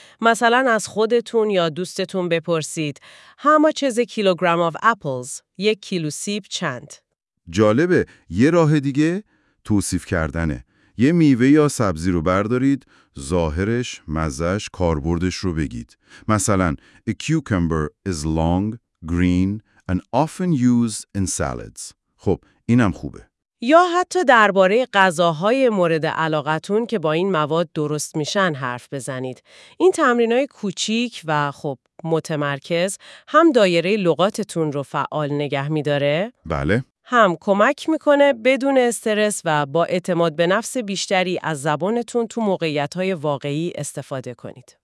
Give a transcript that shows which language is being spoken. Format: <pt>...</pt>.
<fa>مثلا از خودتون یا دوستتون بپرسید</fa> <en>How much is a kilogram of apples؟</en> <fa>یک کیلو سیب چند؟ جالبه، یه راه دیگه توصیف کردنه. یه میوه یا سبزی رو بردارید، ظاهرش، مزهش، کاربردش رو بگید.</fa> <en>مثلا A cucumber is long, green and often used in salads.</en> <fa>خب، اینم خوبه. یا حتی درباره غذاهای مورد علاقتون که با این مواد درست میشن حرف بزنید. این تمرینای کوچیک و خب متمرکز هم دایره لغاتتون رو فعال نگه میداره. بله. هم کمک میکنه بدون استرس و با اعتماد به نفس بیشتری از زبانتون تو موقعیت‌های واقعی استفاده کنید.</fa>